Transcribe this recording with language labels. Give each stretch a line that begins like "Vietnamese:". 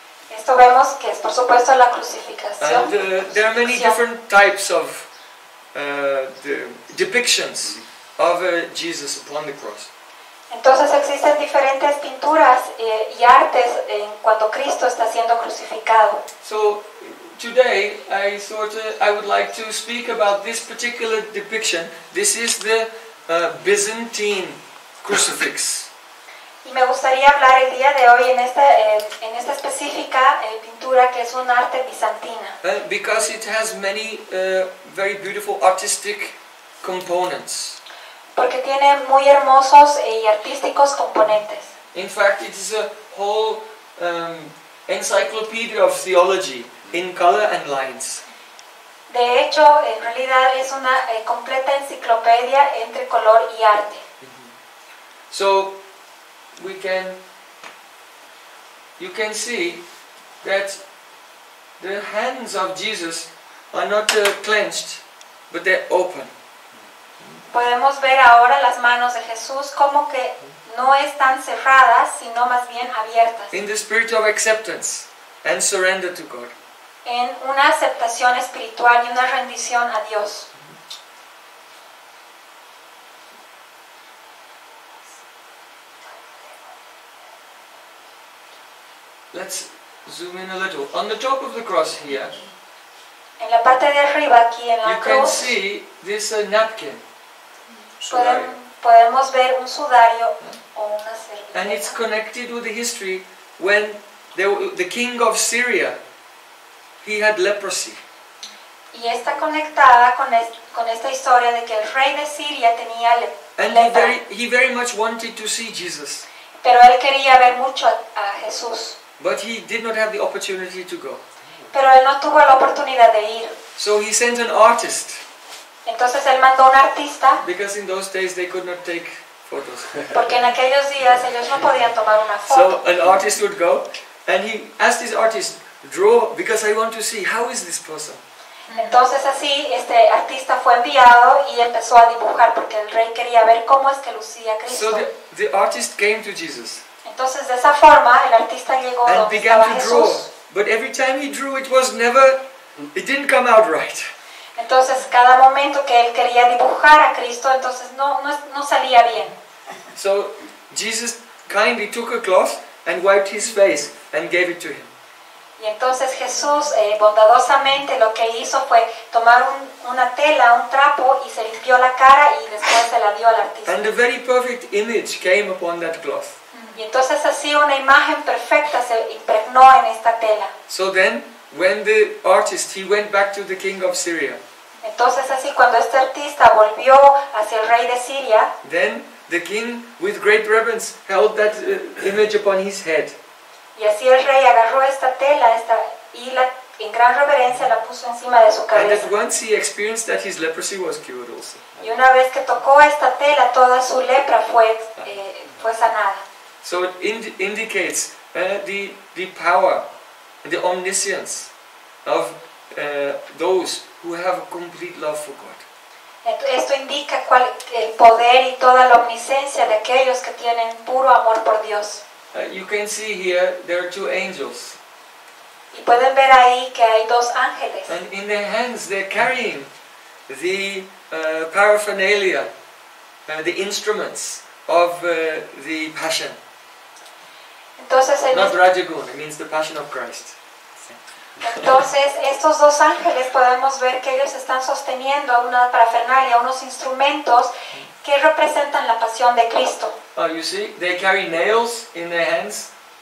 Spanish: Esto vemos que es, por supuesto, la crucificación.
English: And, there are many different types of the depictions of Jesus upon the cross.
Spanish: Entonces existen diferentes pinturas y artes en cuando Cristo está siendo crucificado.
English: So today I would like to speak about this particular depiction. This is the Byzantine crucifix.
Spanish: Y me gustaría hablar el día de hoy en esta específica pintura que es un arte bizantina.
English: Because it has many very beautiful artistic components.
Spanish: Porque tiene muy hermosos y artísticos componentes.
English: In fact, it is a whole encyclopedia of theology in color and lines.
Spanish: De hecho, en realidad es una completa enciclopedia entre color y arte. Mm-hmm.
English: So you can see that the hands of Jesus are not clenched, but they're open.
Spanish: Podemos ver ahora las manos de Jesús como que no están cerradas, sino más bien abiertas.
English: In the spirit of acceptance and surrender to God.
Spanish: En una aceptación espiritual y una rendición a Dios.
English: Let's zoom in a little. On the top of the cross here,
Spanish: en la parte de arriba, aquí en la cruz,
English: you can see this napkin.
Spanish: Podemos ver un sudario o una servilleta.
English: And it's connected with the history when the king of Syria, he had leprosy.
Spanish: Y está conectada con esta historia de que el rey de Siria tenía lepra.
English: And he very much wanted to see Jesus.
Spanish: Pero él quería ver mucho a Jesús.
English: But he did not have the opportunity to go.
Spanish: Pero él no tuvo la oportunidad de ir.
English: So he sent an artist.
Spanish: Entonces él mandó un artista.
English: Because in those days they could not take photos.
Spanish: Porque en aquellos días ellos no podían tomar una foto.
English: So an artist would go, and he asked his artist, draw, because I want to see, how is this person?
Spanish: Entonces así este artista fue enviado y empezó a dibujar porque el rey quería ver cómo es que lucía Cristo.
English: So the artist came to Jesus.
Spanish: Entonces de esa forma el artista llegó
English: and
Spanish: donde estaba
English: to
Spanish: Jesús.
English: Draw. But every time he drew, it was never, it didn't come out right.
Spanish: Entonces cada momento que él quería dibujar a Cristo, entonces no salía bien.
English: So Jesus kindly took a cloth and wiped his face and gave it to him.
Spanish: Y entonces Jesús bondadosamente lo que hizo fue tomar una tela, un trapo, y se limpió la cara y después se la dio al artista.
English: And a very perfect image came upon that cloth.
Spanish: Y entonces así una imagen perfecta se impregnó en esta tela.
English: So then, when the artist, he went back to the king of Syria.
Spanish: Entonces así cuando este artista volvió hacia el rey de Siria.
English: Then the king, with great reverence, held that image upon his head.
Spanish: Y así el rey agarró esta tela, esta, y la, en gran reverencia la puso encima de su cabeza.
English: And at once he experienced that his leprosy was cured also.
Spanish: Y una vez que tocó esta tela, toda su lepra fue sanada.
English: So it indicates the power, the omniscience of those who have a complete love for God.
Spanish: Esto indica cuál el poder y toda la omnisciencia de aquellos que tienen puro amor por Dios.
English: You can see here there are two angels.
Spanish: Y pueden ver ahí que hay dos ángeles.
English: And in their hands they're carrying the paraphernalia, the instruments of the passion.
Spanish: Entonces,
English: not Rajagun, it means the passion of Christ.
Spanish: Entonces, estos dos ángeles podemos ver que ellos están sosteniendo una parafernalia, unos instrumentos que representan la pasión de Cristo.
English: Oh, you see, they carry nails in their hands.